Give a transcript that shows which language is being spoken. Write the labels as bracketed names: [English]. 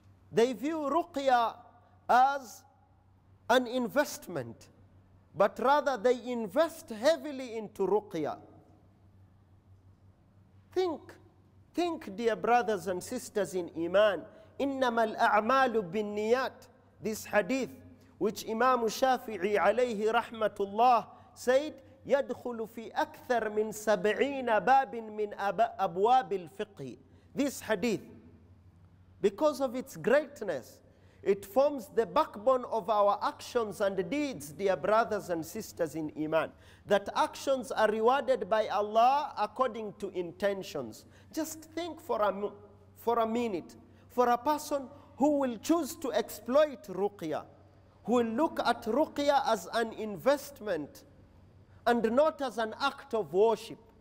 [English] They view ruqya as an investment, but rather they invest heavily into ruqya. Think, dear brothers and sisters in Iman, [Arabic] إِنَّمَا الْأَعْمَالُ بِالنِّيَاتِ. [English] This hadith, which Imam Shafi'i alayhi rahmatullah said, [Arabic] يَدْخُلُ فِي أَكْثَرْ مِنْ سَبْعِينَ بَابٍ مِنْ أَبْوَابِ الْفِقْهِ. [English] This hadith, because of its greatness, it forms the backbone of our actions and deeds, dear brothers and sisters in Iman. That actions are rewarded by Allah according to intentions. Just think for a minute, for a person who will choose to exploit ruqya, who will look at ruqya as an investment and not as an act of worship.